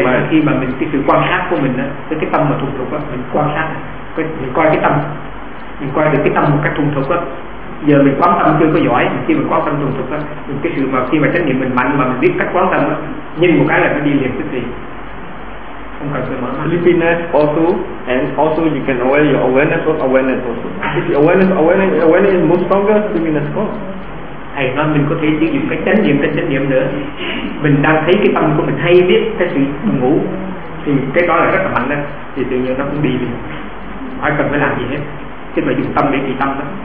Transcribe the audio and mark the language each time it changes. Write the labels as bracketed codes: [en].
[vi] Khi mà mình cái sự quan sát của mình á, cái tâm mà thuần thục á, mình quan sát, mình coi cái tâm, mình coi được cái tâm một cách thuần thục á. Giờ mình quán tâm chưa có giỏi, khi mình quán tâm thuần thục á, cái sự mà khi mà trách nhiệm mình mạnh mà mình biết cách quán tâm á, nhìn một cái là nó đi liền cái gì. [en] Sleepiness also, and also you can aware your awareness of awareness also. If the awareness is more stronger, sleepiness goes. [vi] Thầy nói mình có thể sử dụng cái chánh niệm trên chánh niệm nữa. Mình đang thấy cái tâm của mình hay biết cái sự ngủ thì cái đó là rất là mạnh đó. Thì tự nhiên nó cũng đi đi. Ai cần phải làm gì hết. Chứ mà dùng tâm để trị tâm đó.